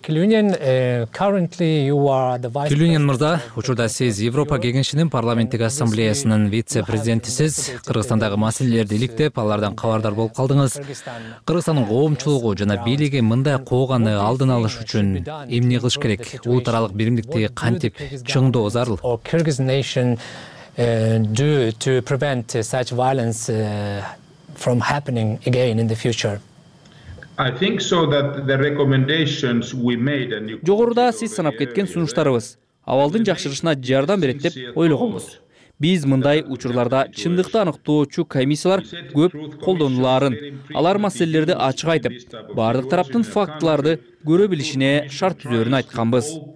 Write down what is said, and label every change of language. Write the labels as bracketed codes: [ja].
[en] Klunin, currently you are the vice president. [ky] Klunin мырза, учурда сиз Европа кеңешинин парламенттик ассамблеясынын вице-президентисиз. Кыргызстандагы маселелерди иликтеп, алардан кабардар болуп калдыңыз. Кыргызстандын коомчулугу жана бийлиги мындай кооганы алдын алыш үчүн эмне кылыш керек? Улут аралык биримдикти кантип чыңдоо зарыл? [en] Kyrgyz nation do to prevent such violence from happening again in the future. I think so that the recommendations we made and [ky] жогоруда сиз санап кеткен сунуштарыбыз абалдын жакшырышына жардам берет деп ойлогонбуз. Биз мындай учурларда чындыкты аныктоочу комиссиялар көп колдонуларын, алар маселелерди ачык айтып, бардык тараптын фактыларды көрө билишине шарт түзөрүн айтканбыз.